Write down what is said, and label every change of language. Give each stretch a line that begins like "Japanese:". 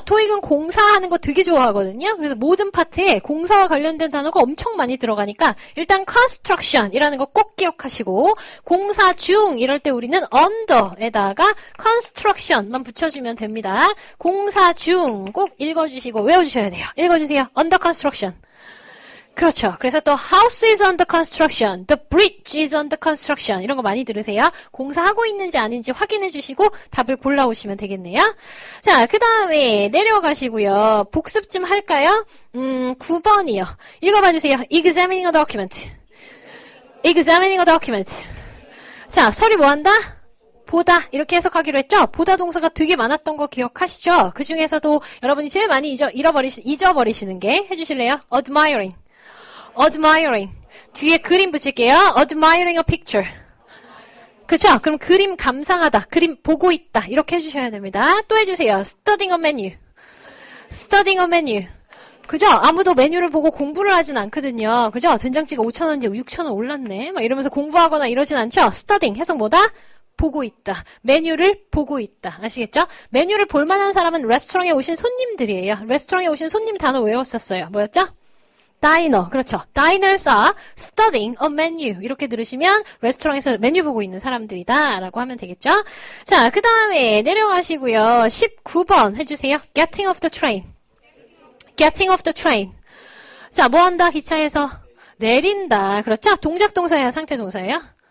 Korean: 토익은 공사하는 거 되게 좋아하거든요. 그래서 모든 파트에 공사와 관련된 단어가 엄청 많이 들어가니까 일단 construction이라는 거꼭 기억하시고, 공사 중 이럴 때 우리는 under에다가 construction만 붙여주면 됩니다. 공사 중꼭 읽어주시고 외워주셔야 돼요. 읽어주세요.
English: under construction.
Korean: 그렇죠. 그래서 또
English: house is under construction, the bridge is under construction
Korean: 이런 거 많이 들으세요. 공사하고 있는지 아닌지 확인해 주시고 답을 골라오시면 되겠네요. 자, 그 다음에 내려가시고요. 복습 좀 할까요? 9번이요. 읽어봐 주세요.
English: Examining a document. Examining a document.
Korean: 자, 서류 뭐 한다? 보다 이렇게 해석하기로 했죠? 보다 동사가 되게 많았던 거 기억하시죠? 그 중에서도 여러분이 제일 많이 잊어버리시는 게 해주실래요?
English: Admiring. Admiring.
Korean: 뒤에 그림 붙일게요.
English: Admiring a picture.
Korean: 그쵸? 그럼 그림 감상하다. 그림 보고 있다. 이렇게 해주셔야 됩니다. 또 해주세요.
English: Studying a menu. Studying a menu.
Korean: 그죠? 아무도 메뉴를 보고 공부를 하진 않거든요. 그죠? 된장찌개 5,000원인데 6,000원 올랐네. 막 이러면서 공부하거나 이러진 않죠? Studying. 해석 뭐다? 보고 있다. 메뉴를 보고 있다. 아시겠죠? 메뉴를 볼만한 사람은 레스토랑에 오신 손님들이에요. 레스토랑에 오신 손님 단어 외웠었어요. 뭐였죠? 다이너, 그렇죠.
English: Diners are studying a menu.
Korean: 이렇게 들으시면 레스토랑에서 메뉴 보고 있는 사람들이다 라고 하면 되겠죠. 자, 그 다음에 내려가시고요. 19번 해주세요.
English: Getting off the train. Getting off the train.
Korean: 자, 뭐 한다? 기차에서 내린다. 그렇죠? 동작 동사예요? 상태 동사예요?